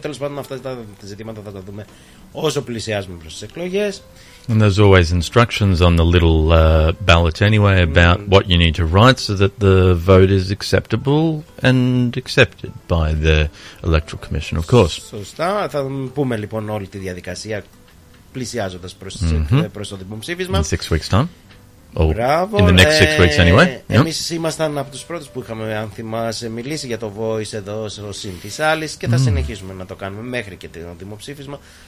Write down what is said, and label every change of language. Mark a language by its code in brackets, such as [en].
[el] Τέλος πάντων, αυτά τα ζητήματα θα τα δούμε όσο πλησιάζουμε προς τις εκλογές. [en] And there's always instructions on the little ballot anyway about what you need to write so that the vote is acceptable and accepted by the Electoral Commission, of course. [el] Σωστά. Θα πούμε λοιπόν όλη τη διαδικασία πλησιάζοντας προς, mm-hmm. προς το δημοψήφισμα. [en] In 6 weeks time. Oh, [el] μπράβο. [en] In the next 6 weeks anyway. [el] Εμείς ήμασταν από τους πρώτους που είχαμε, αν θυμάσαι, μιλήσει για το Voice εδώ στο Συν της Άλλης και θα συνεχίσουμε να το κάνουμε μέχρι και το δημοψήφισμα.